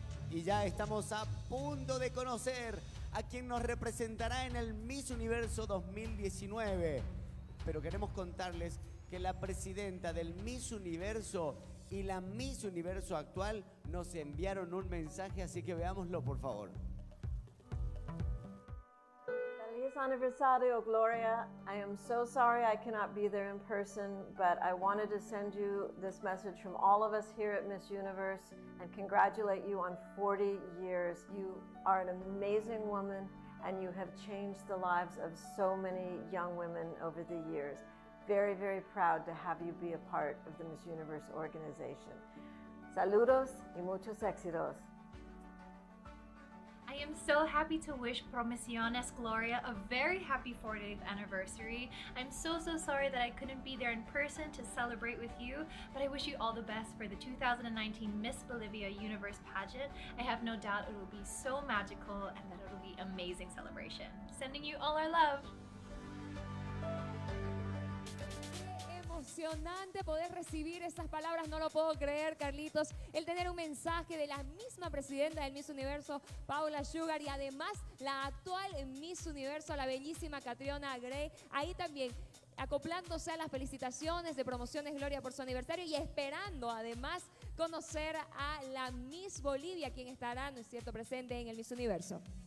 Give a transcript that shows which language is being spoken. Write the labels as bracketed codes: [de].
[es] Y ya estamos a punto de conocer a quien nos representará en el Miss Universo 2019. Pero queremos contarles que la presidenta del Miss Universo y la Miss Universo actual nos enviaron un mensaje, así que veámoslo, por favor. Aniversario, Gloria. [en] I am so sorry I cannot be there in person, but I wanted to send you this message from all of us here at Miss Universe and congratulate you on 40 years. You are an amazing woman and you have changed the lives of so many young women over the years. Very, very proud to have you be a part of the Miss Universe organization. [es] Saludos y muchos éxitos. [en] I am so happy to wish Promisiones Gloria a very happy 40th anniversary. I'm so, so sorry that I couldn't be there in person to celebrate with you, but I wish you all the best for the 2019 Miss Bolivia Universe pageant. I have no doubt it will be so magical and that it will be an amazing celebration. Sending you all our love. [es] Emocionante poder recibir estas palabras, no lo puedo creer, Carlitos, el tener un mensaje de la misma presidenta del Miss Universo, Paula Sugar, y además la actual Miss Universo, la bellísima Catriona Gray, ahí también acoplándose a las felicitaciones de Promociones Gloria por su aniversario y esperando además conocer a la Miss Bolivia, quien estará, no es cierto, presente en el Miss Universo.